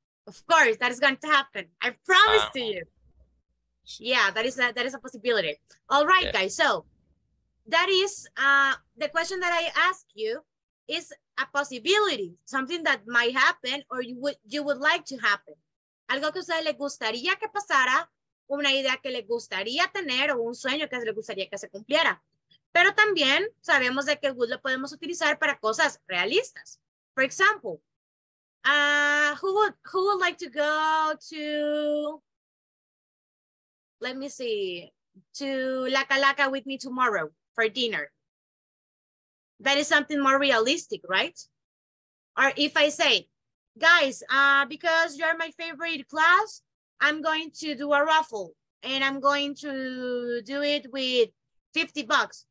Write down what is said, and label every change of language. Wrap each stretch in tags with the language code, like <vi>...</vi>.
<en>Of course, that is going to happen. I promise to you. Yeah, that is a possibility. All right, guys. So that is the question that I ask you is a possibility, something that might happen or you would like to happen.</en> <es>Algo que a usted le gustaría que pasara, una idea que le gustaría tener o un sueño que le gustaría que se cumpliera. Pero también sabemos de que would lo podemos utilizar para cosas realistas.</es> <en>For example, who would like to go to, let me see, to La Calaca with me tomorrow for dinner? That is something more realistic, right? Or if I say, guys, because you're my favorite class, I'm going to do a raffle and I'm going to do it with 50 bucks.</en>